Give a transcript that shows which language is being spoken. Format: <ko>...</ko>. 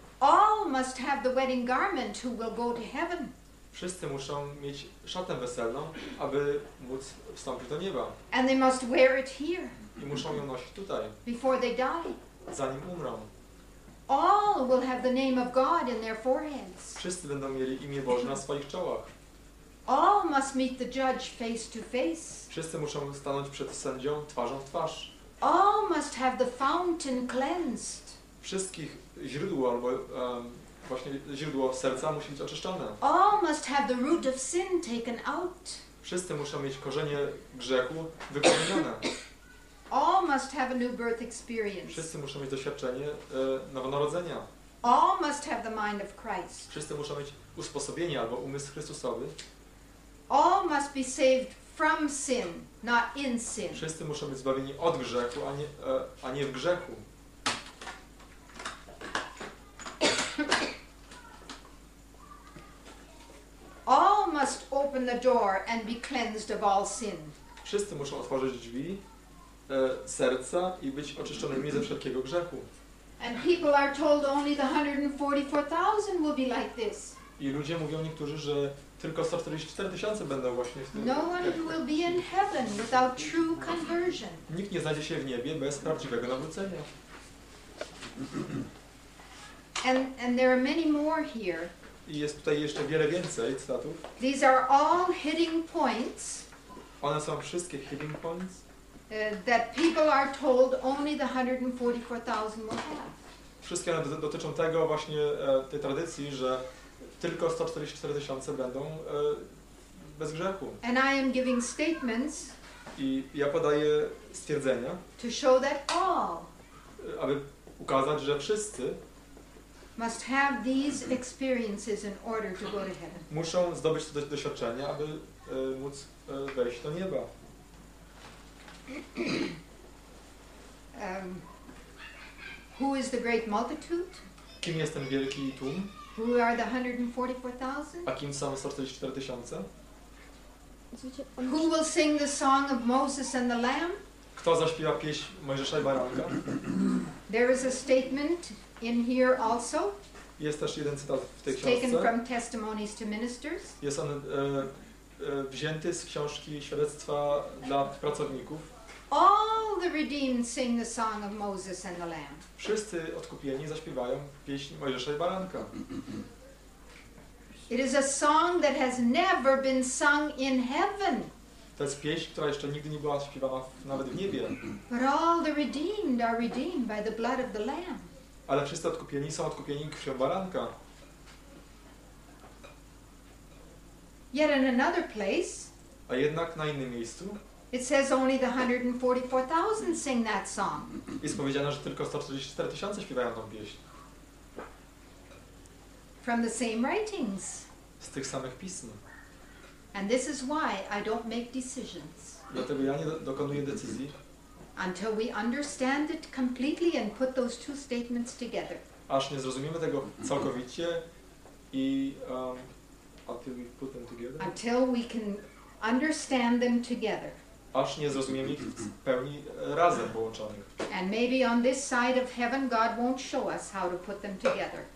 <en>All must have the wedding garment who will go to heaven.</en> <pl>Wszyscy muszą mieć szatę weselną, aby móc wstąpić do nieba.</pl> <en>And they must wear it here.</en> <pl>I muszą ją nosić tutaj.</pl> <en>Before they die.</en> <pl>Zanim umrą.</pl> <en>All will have the name of God in their foreheads.</en> <pl>Wszyscy będą mieli imię Boże na swoich czołach.</pl> <en>All must meet the judge face to face.</en> <pl>Wszyscy muszą stanąć przed sędzią twarzą w twarz.</pl> <en>All must have the fountain cleansed.</en> <pl>Wszystkich źródło albo właśnie źródło serca musi być oczyszczone.</pl> <en>All must have the root of sin taken out.</en> <pl>Wszyscy muszą mieć korzenie grzechu wykorzenione.</pl> <en>All must have a new birth experience.</en> <pl>Wszyscy muszą mieć doświadczenie nowonarodzenia.</pl> <en>All must have the mind of Christ.</en> <pl>Wszyscy muszą mieć usposobienie albo umysł Chrystusowy.</pl> <en>All must be saved from sin, not in sin.</en> <pl>Wszyscy muszą być zbawieni od grzechu, a nie w grzechu.</pl> <en>All must open the door and be cleansed of all sin.</en> <pl>Wszyscy muszą otworzyć drzwi serca i być oczyszczonymi ze wszelkiego grzechu.</pl> <en>And people are told only the 144,000 will be like this.</en> <pl>I ludzie mówią niektórzy, że tylko 144 tysiące będą właśnie w tym.</pl> <en>No one will be in heaven without true conversion.</en> <pl>Nikt nie znajdzie się w niebie bez prawdziwego nawrócenia.</pl> <en>And there are many more here.</en> <pl>I jest tutaj jeszcze wiele więcej cytatów.</pl> <en>These are all hitting points.</en> <pl>One są wszystkie</pl> <en>hitting points. That people are told only the 144,000 will have.</en> <pl>Wszystkie one dotyczą tego właśnie tej tradycji, że tylko 144 tysiące będą bez grzechu.</pl> <en>And I am giving statements.</en> <pl>I ja podaję stwierdzenia.</pl> <en>To show that all.</en> <pl>Aby ukazać, że wszyscy.</pl> <en>Must have these experiences in order to go to heaven.</en> <pl>Muszą zdobyć te doświadczenia, aby móc wejść do nieba.</pl> <en>Who is the great multitude?</en> <pl>Kim jest ten wielki tłum?</pl> <en>Who are the 144,000?</en> <pl>A kim są 144 tysiące?</pl> <en>Who will sing the song of Moses and the Lamb?</en> <pl>Kto zaśpiewa pieśń Mojżesza i Baranka?</pl> <en>There is a statement in here also.</en> <pl>Jest też jeden cytat w tej książce.</pl> <en>Taken from testimonies to ministers.</en> <pl>Jest on wzięty z książki Świadectwa dla pracowników.</pl> <en>All the redeemed sing the song of Moses and the Lamb.</en> <pl>Wszyscy odkupieni zaśpiewają pieśń Mojżesza i Baranka.</pl> <en>It is a song that has never been sung in heaven.</en> <pl>To jest pieśń, która jeszcze nigdy nie była śpiewana nawet w niebie.</pl> <en>But all the redeemed are redeemed by the blood of the Lamb.</en> <pl>Ale wszyscy odkupieni są odkupieni krwią Baranka.</pl> <en>Yet in another place.</en> <pl>A jednak na innym miejscu.</pl> <en>It says only the 144,000 sing that song.</en> <pl>Jest powiedziane, że tylko 144 tysiące śpiewają tą pieśń.</pl> <en>From the same writings.</en> <pl>z tych samych pism.</pl> <en>And this is why I don't make decisions.</en> <pl>Dlatego ja nie dokonuję decyzji.</pl> <en>Until we understand it completely and put those two statements together.</en> <pl>Aż nie zrozumiemy tego całkowicie i</pl> <en>until we put them together. Until we can understand them together.</en> <pl>Aż nie zrozumiemy ich w pełni razem połączonych.</pl> <en>And maybe on this side of heaven God won't show us how to put them together.</en>